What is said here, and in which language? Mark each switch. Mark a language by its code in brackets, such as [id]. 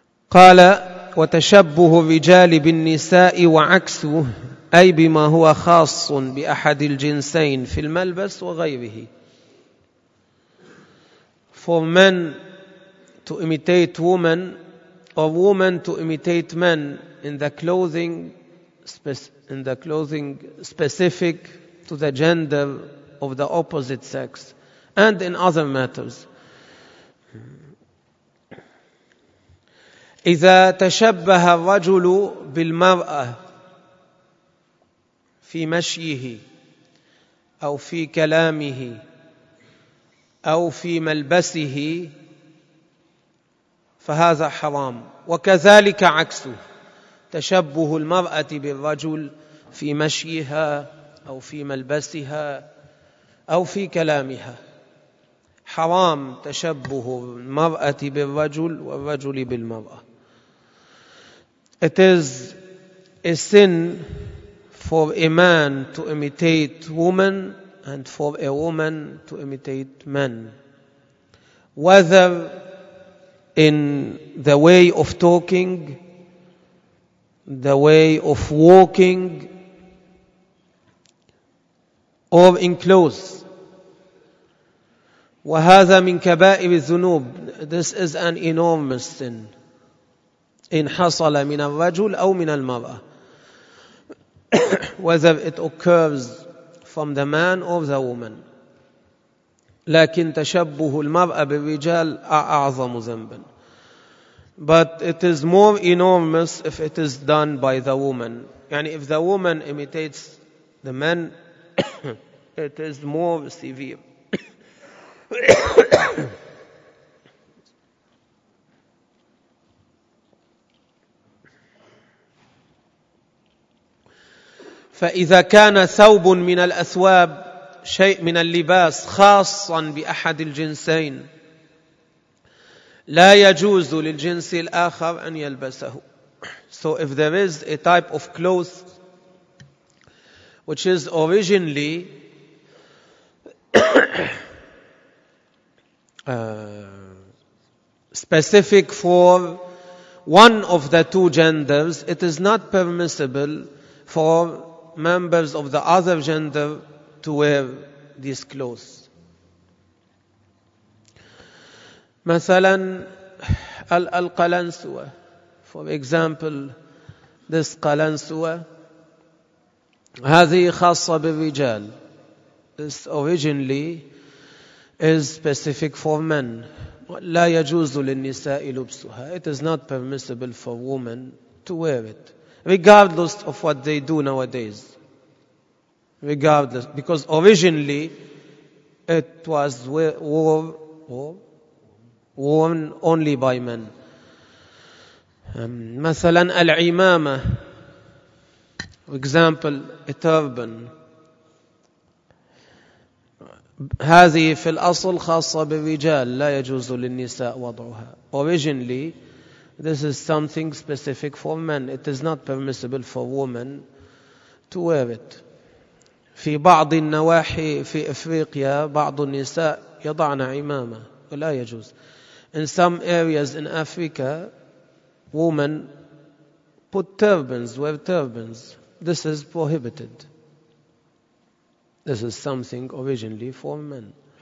[ar] قال وتشبه الرجال بالنساء وعكسه أي بما هو خاص بأحد الجنسين في الملبس وغيره. [en] For men to imitate women or women to imitate men in the clothing specific to the gender of the opposite sex and in other matters. [ar] إذا تشبه الرجل بالمرأة في مشيه أو في كلامه أو في ملبسه فهذا حرام وكذلك عكسه تشبه المرأة بالرجل في مشيها أو في ملبسها أو في كلامها حرام تشبه المرأة بالرجل والرجل بالمرأة. [en] It is a sin for a man to imitate woman and for a woman to imitate man, whether in the way of talking, the way of walking, or in clothes. [ar] وهذا من كبائر الذنوب. [en] This is an enormous sin. [ar] إن حصل من الرجل أو من المرأة [en] whether it occurs from the man or the woman. [ar] لكن تشبه المرأة بالرجال أعظم ذنبا. [en] But it is more enormous if it is done by the woman. يعني if the woman imitates the man it is more severe. [ar] فإذا كان ثوب من الأثواب شيء من اللباس خاصا بأحد الجنسين لا يجوز للجنس الآخر أن يلبسه. [en] So if there is a type of clothes which is originally specific for one of the two genders, it is not permissible for members of the other gender to wear these clothes. [ar] مثلاً القلنسوة, [en] for example, this [ar] قلنسوة, هذه خاصة بالرجال. [en] This originally is specific for men. [ar] لا يجوز للنساء لبسها. [en] It is not permissible for women to wear it, regardless of what they do nowadays. Regardless, because originally it was worn only by men. [ar] مثلا العمامة, [en] for example, a turban. [ar] هذه في الأصل خاصة بالرجال, لا يجوز للنساء وضعها. [en] Originally, this is something specific for men. It is not permissible for women to wear it. [ar] في بعض النواحي في إفريقيا بعض النساء يضعن عمامة ولا يجوز. [en] In some areas in Africa, women put turbans, wear turbans. This is prohibited. This is something originally for men.